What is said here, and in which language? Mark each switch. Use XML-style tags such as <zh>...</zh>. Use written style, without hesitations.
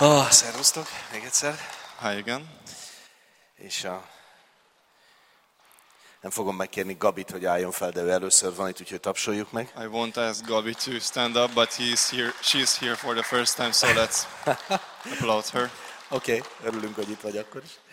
<hu>Szervusztok, még egyszer.</hu> <en>Hi again.</en> <hu>És nem fogom megkérni Gabit, hogy álljon fel, de ő először van itt, úgyhogy tapsoljuk meg.</hu> <en>I won't ask Gabi to stand up, but she's here for the first time, so let's applaud her.</en> <hu>Okay, örülünk, hogy itt vagy akkor is.</hu>